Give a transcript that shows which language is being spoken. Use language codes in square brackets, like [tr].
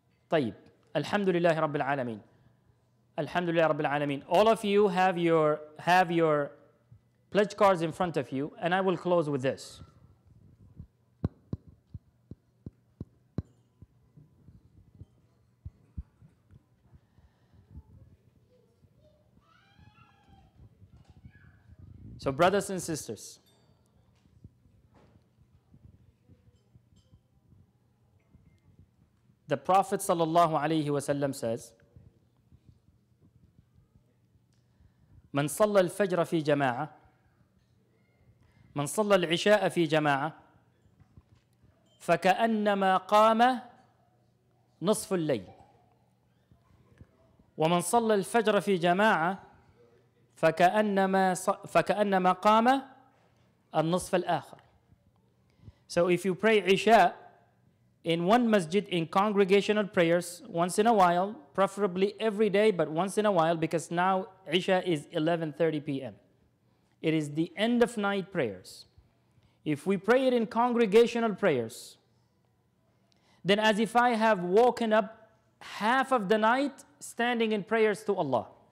[ar] طيب الحمد لله رب العالمين الحمد لله رب العالمين. [en] All of you have your pledge cards in front of you, and I will close with this. So brothers and sisters, the Prophet sallallahu alayhi wa sallam says, [ar] من صلى الفجر في جماعة من صلى العشاء في جماعة فكأنما قام نصف الليل ومن صلى الفجر في جماعة فكأنما قام النصف الآخر. [en] So if you pray Isha in one masjid in congregational prayers once in a while, preferably every day, but once in a while, because now Isha is 11:30 p.m. It is the end of night prayers. If we pray it in congregational prayers, then as if I have woken up half of the night standing in prayers to Allah.